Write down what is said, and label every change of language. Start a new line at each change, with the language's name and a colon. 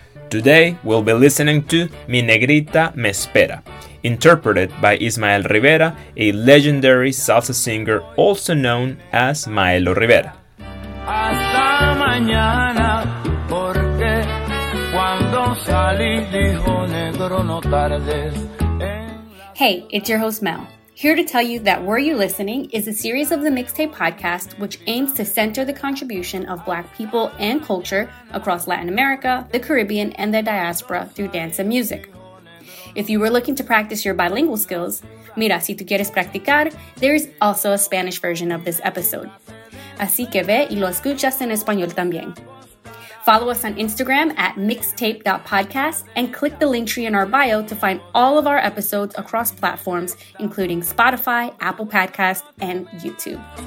English: Today, we'll be listening to Mi Negrita Me Espera, interpreted by Ismael Rivera, a legendary salsa singer also known as Maelo Rivera.
Spanish: Hasta mañana, porque cuando salí dijo negro no tardes.
English: Hey, it's your host Mel, here to tell you that Were You Listening is a series of the Mixtape podcast which aims to center the contribution of Black people and culture across Latin America, the Caribbean, and the diaspora through dance and music. If you were looking to practice your bilingual skills,
Spanish: mira, si tú quieres practicar,
English: there is also a Spanish version of this episode.
Spanish: Así que ve y lo escuchas en español también.
English: Follow us on Instagram at mixtape.podcast and click the link tree in our bio to find all of our episodes across platforms, including Spotify, Apple Podcasts, and YouTube.